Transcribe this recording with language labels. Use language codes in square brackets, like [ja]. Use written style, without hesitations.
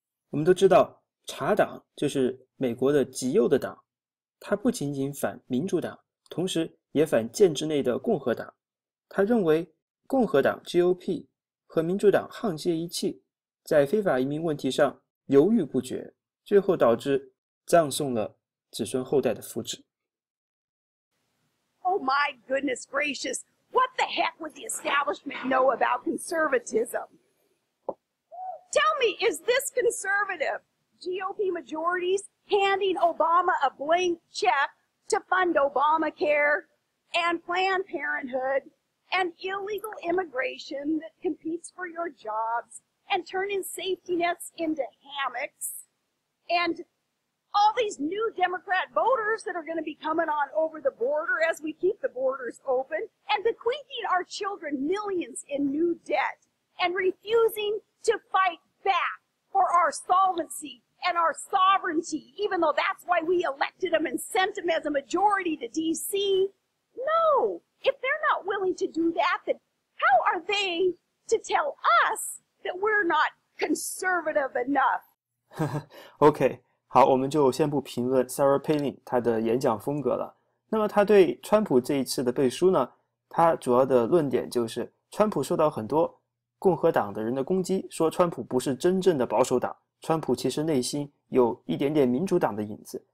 [zh] 我们都知道，查党就是美国的极右的党，它不仅仅反民主党，同时也反建制内的共和党。他认为共和党 GOP 和民主党沆瀣一气，在非法移民问题上犹豫不决，最后导致葬送了子孙后代的福祉。 [en] Oh my goodness gracious! What the heck would the establishment know about conservatism? Tell me, is this conservative? GOP majorities handing Obama a blank check to fund Obamacare and Planned Parenthood and illegal immigration that competes for your jobs and turning safety nets into hammocks and all these new Democrat voters that are going to be coming on over the border as we keep the borders open, and bequeathing our children millions in new debt, and refusing to fight back for our solvency and our sovereignty, even though that's why we elected them and sent them as a majority to DC. No, if they're not willing to do that, then how are they to tell us that we're not conservative enough? 呵 呵，OK。 [zh] 好，我们就先不评论 Sarah Palin 她的演讲风格了。那么，她对川普这一次的背书呢？她主要的论点就是，川普受到很多共和党的人的攻击，说川普不是真正的保守党，川普其实内心有一点点民主党的影子。